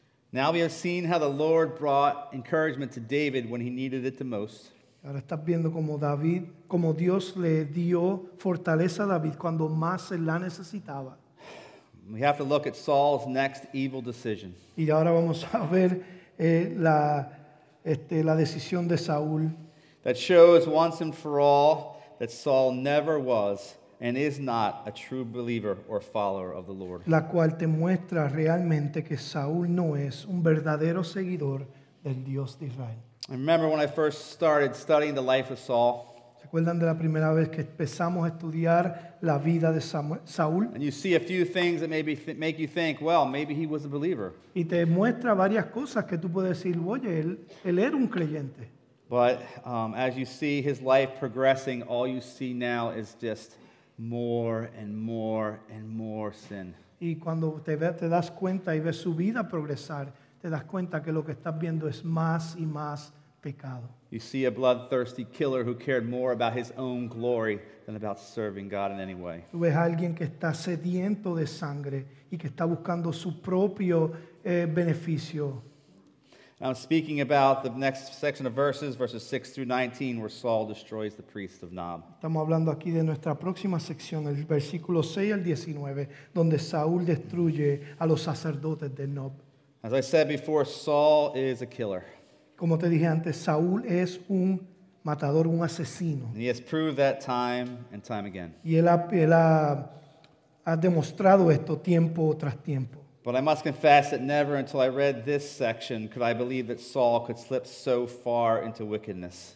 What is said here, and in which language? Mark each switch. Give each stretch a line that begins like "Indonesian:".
English: Now we have seen how the Lord brought encouragement to David when he needed it the most.
Spanish: Ahora estás viendo cómo Dios le dio fortaleza a David cuando más se la necesitaba.
English: We have to look at Saul's next evil decision.
Spanish: Y ahora vamos a ver la decisión de Saúl.
English: That shows once and for all that Saul never was and is not a true believer or follower of the Lord.
Spanish: La cual te muestra realmente que Saúl no es un verdadero seguidor del Dios de Israel.
English: I remember when I first started studying the life of Saul.
Spanish: ¿Se acuerdan de la primera vez que empezamos a estudiar la vida de Saúl?
English: And you see a few things that maybe make you think, well, maybe he was a believer.
Spanish: Y te muestra varias cosas que tú puedes decir, oye, él era un creyente.
English: But as you see his life progressing, all you see now is just more and more and more sin.
Spanish: Y cuando te das cuenta y ves su vida progresar, te das cuenta que lo que estás viendo es más y más pecado.
English: You see a bloodthirsty killer who cared more about his own glory than about serving God in any way.
Spanish: Tú ves a alguien que está sediento de sangre y que está buscando su propio beneficio.
English: I'm speaking about the next section of verses 6 through 19, where Saul destroys the priest of Nob.
Spanish: Estamos hablando aquí de nuestra próxima sección, el versículo 6 al 19, donde Saúl destruye a los sacerdotes de Nob.
English: As I said before, Saul is a killer.
Spanish: Como te dije antes, Saúl es un matador, un asesino.
English: And he has proved that time and time again.
Spanish: Y él ha demostrado esto tiempo tras tiempo.
English: But I must confess that never until I read this section could I believe that Saul could slip so far into wickedness.